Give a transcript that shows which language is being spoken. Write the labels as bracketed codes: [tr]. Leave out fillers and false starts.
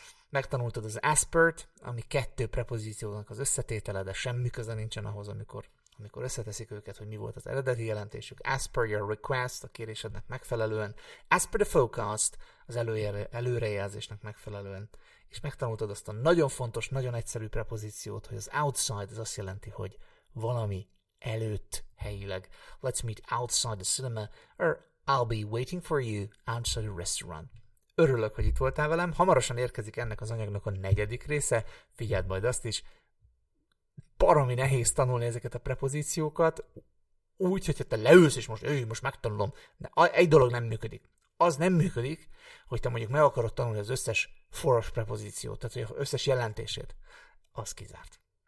[hu] Megtanultad az aspert, ami kettő prepozíciónak az összetétele, de semmi köze nincsen ahhoz, amikor összeteszik őket, hogy mi volt az eredeti jelentésük. [en] As per your request, [hu] a kérésednek megfelelően. [en] As per the forecast, [hu] az előrejelzésnek megfelelően. És megtanultad azt a nagyon fontos, nagyon egyszerű prepozíciót, hogy az outside, az azt jelenti, hogy valami előtt helyileg. [en] Let's meet outside the cinema, or I'll be waiting for you outside the restaurant. [hu] Örülök, hogy itt voltál velem. Hamarosan érkezik ennek az anyagnak a negyedik része. Figyeld majd azt is. Baromi nehéz tanulni ezeket a prepozíciókat, úgy, hogyha te leülsz, és most jöjj, most megtanulom. De egy dolog nem működik. Az nem működik, hogy te mondjuk meg akarod tanulni az összes foros prepozíciót, tehát az összes jelentését. Az kizárt.